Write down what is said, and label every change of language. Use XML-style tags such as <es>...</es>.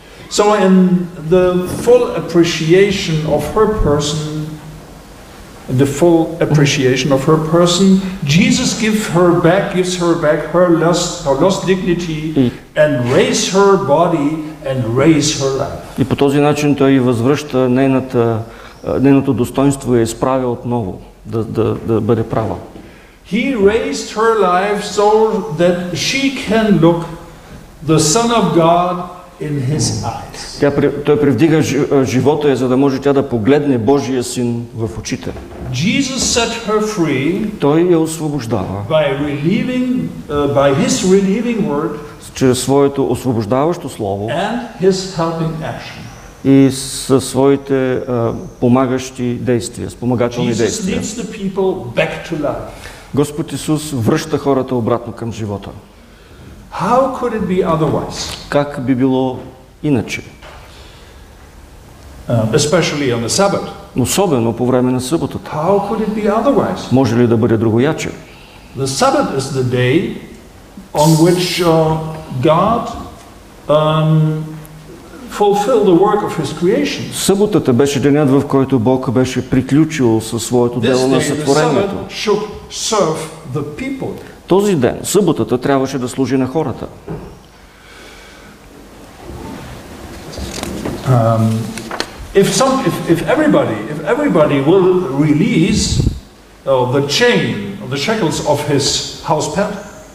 <en>So in the full appreciation of her person, Jesus gives her back her lost dignity and raise her body and raise her life.</en> <bg>И по този начин той и възвръща нейното достоинство и я изправя отново да бъде права.</bg> <en>He raised her life so that she can look the Son of God in his eyes.</en> <bg>Той привдига живота ѝ, за да може тя да погледне Божия син в очите.</bg> <en>Jesus set her free.</en> <bg>Той я освобождава.</bg> <en>By relieving, by his relieving word.</en> <bg>Чрез своето освобождаващо слово.</bg> <en>And his helping action.</en> <bg>И със своите помагащи действия, спомагателни действия.</bg> <en>Jesus leads the people back to life.</en> <bg>Господ Исус връща хората обратно към живота.</bg> <en>How could it be otherwise?</en> <bg>Как би било иначе?</bg> <en>Especially on the Sabbath.</en> <bg>Особено по време на съботата.</bg> <en>How could it be otherwise?</en> <bg>Може ли да бъде другояче?</bg> <en>The Sabbath is the day on which God fulfilled the work of his creation.</en> <bg>Съботата беше денят, в който Бог беше приключил със своето дело на сътворението.</bg> <en>This day, the Sabbath should serve the people.</en> <bg>Този ден, съботата, трябваше да служи на хората.</bg> <en>If everybody will release the chain of the shackles of his house pet.</en>